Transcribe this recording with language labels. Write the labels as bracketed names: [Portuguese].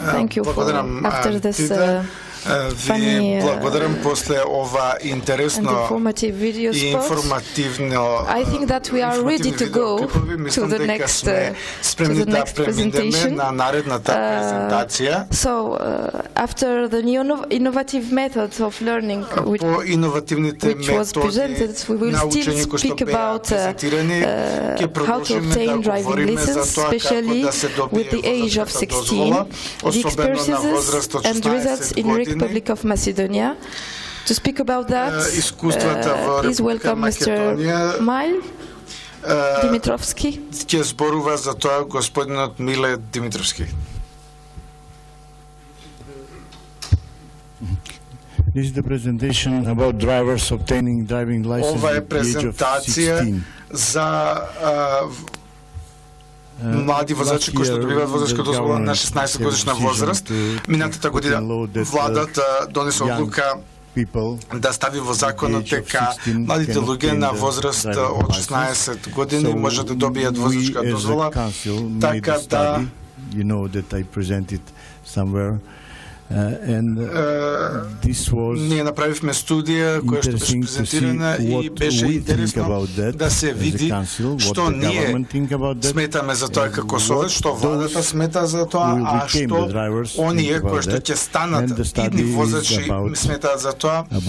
[English] Thank you for after this funny, [Macedonian] благодарам после ова интересно и информативно. [English] I think that we are ready to go to the next presentation. [Macedonian] На наредната презентация. [English] So after the new innovative methods of learning, which was presented, we will still speak about how to obtain driving license, especially with the age of 16, the experiences and results in Republic of Macedonia. To speak about that, please welcome Mr. Mile Dimitrovski. [Macedonian] Ќе зборува за тоа господинот Миле Димитровски. [English] This is the presentation about drivers obtaining driving license at the age of 16. [Macedonian] За млади возачи кои што добиваат возачка дозвола на 16 годишна возраст. Минатата година владата донесе одлука да стави во законот дека младите луѓе на възраст од 16 години може да добијат возачка дозвола. Така да, [English] you know that I presented somewhere. [Macedonian] Ние направивме студија која што беше презентирана и беше интересно да се види што ние сметаме за тоа како совет, што владата смета за тоа, а што оние кои што ќе станат идни возачи сметаат за тоа.